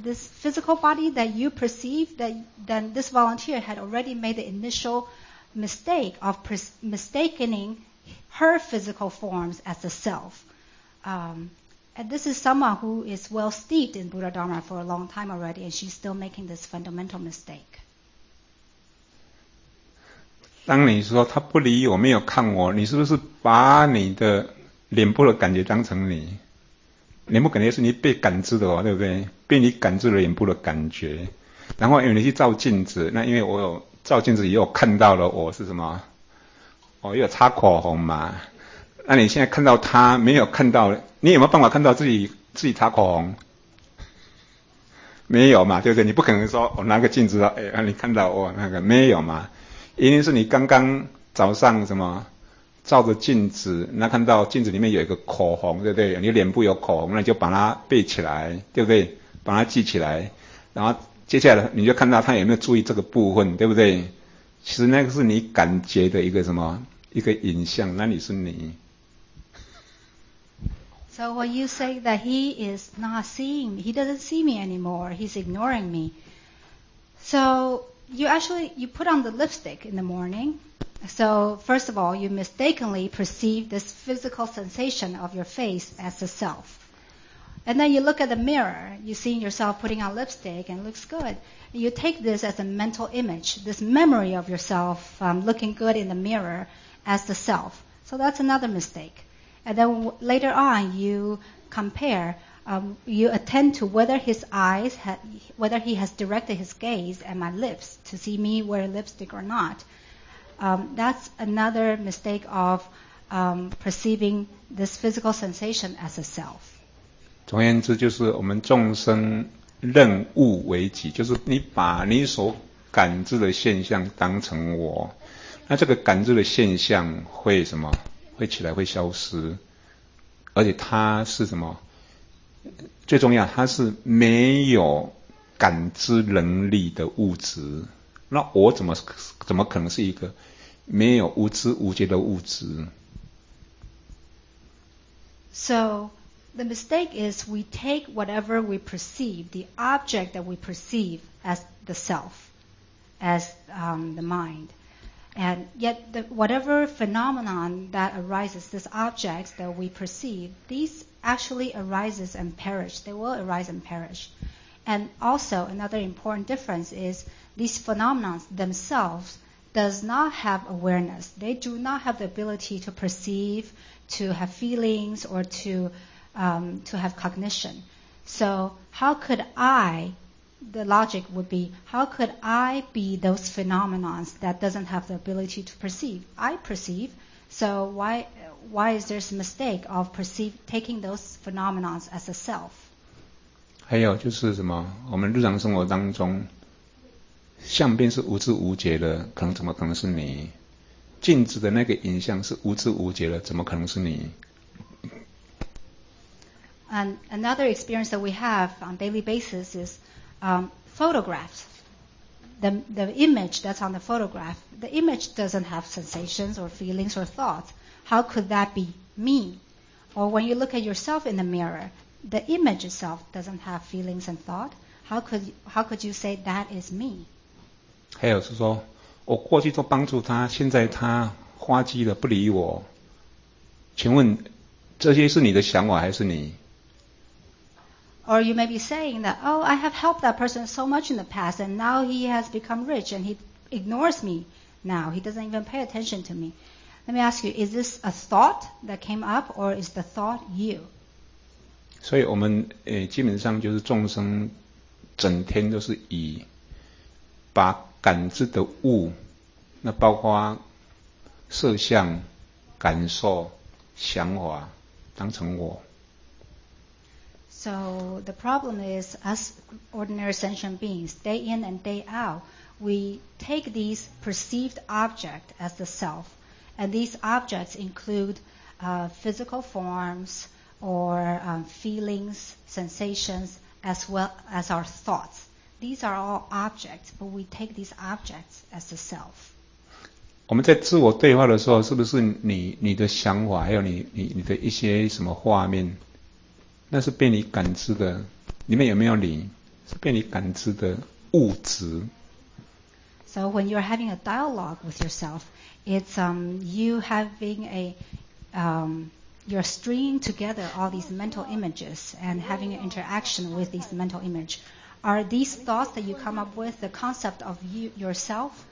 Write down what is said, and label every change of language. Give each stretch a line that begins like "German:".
English: This physical body that you perceive that then this volunteer had already made the initial... mistake of mistakening her physical forms as the self. And this is someone who is well steeped in Buddha Dharma for a long time already, and she's still making this fundamental mistake.
Chinese: 当你说他不理我，没有看我，你是不是把你的脸部的感觉当成你？脸部感觉是你被感知的哦，对不对？被你感知了脸部的感觉，然后因为你去照镜子，那因为我有照镜子也有看到了我是什么，我也有擦口红嘛，那你现在看到他没有看到，你有没有办法看到自己擦口红？没有嘛，对不对？你不可能说我拿个镜子说，哎，你看到我那个没有嘛？一定是你刚刚早上什么照着镜子，那看到镜子里面有一个口红，对不对？你脸部有口红，那你就把它背起来，对不对？把它记起来，然后接下来你就看到他有没有注意这个部分，对不对？其实那个是你感觉的一个什么一个影像，那你是你。
English: So when you say that he is not seeing, he doesn't see me anymore, he's ignoring me. So you put on the lipstick in the morning. So first of all, you mistakenly perceive this physical sensation of your face as a self. And then you look at the mirror, you see yourself putting on lipstick and it looks good. You take this as a mental image, this memory of yourself looking good in the mirror as the self. So that's another mistake. And then later on, you compare, you attend to whether his eyes, whether he has directed his gaze at my lips to see me wear lipstick or not. That's another mistake of perceiving this physical sensation as a self.
Chinese: 总而言之就是我们众生任物为己，就是你把你所感知的现象当成我，那这个感知的现象会什么？会起来会消失，而且它是什么？最重要，它是没有感知能力的物质。那我怎么可能是一个没有无知无觉的物质
English: ？So the mistake is we take whatever we perceive, the object that we perceive as the self, as the mind. And yet, whatever phenomenon that arises, this object that we perceive, these actually arises and perish. They will arise and perish. And also, another important difference is these phenomena themselves does not have awareness. They do not have the ability to perceive, to have feelings, or to have cognition. So how could I... The logic would be, how could I be those phenomena that doesn't have the ability to perceive? I perceive, so why is there a mistake of taking those phenomena as a self?
Chinese: 还有就是什么，我们日常生活当中，相片是无知无觉的，可能怎么可能是你？镜子的那个影像是无知无觉的，怎么可能是你？
English: And another experience that we have on a daily basis is,photographs, the image that's on the photograph, the image doesn't have sensations or feelings or thoughts. How could that be me? Or when you look at yourself in the mirror, the image itself doesn't have feelings and thought. How could you say that is me?
Chinese: 还有是说，我过去都帮助他，现在他花季了不理我。请问，这些是你的想法还是你？
English: Or you may be saying that, oh, I have helped that person so much in the past, and now he has become rich, and he ignores me now. He doesn't even pay attention to me. Let me ask you, is this a thought that came up, or is the thought you?
Chinese: 所以我们基本上就是众生整天都是以把感知的物，那包括色相、感受、想法当成我。
English: So the problem is, us ordinary sentient beings, day in and day out, we take these perceived objects as the self. And these objects include physical forms or feelings, sensations, as well as our thoughts. These are all objects, but we take these objects as the self.
Chinese: 我们在自我对话的时候，是不是你的想法，还有你的一些什么画面？那是被你感知的，里面有没有你？是被你感知的物质。
English: So when you're having a dialogue with yourself, it's you having a you're stringing together all these mental images and having an interaction with these mental image. Are these thoughts that you come up with the concept of you yourself?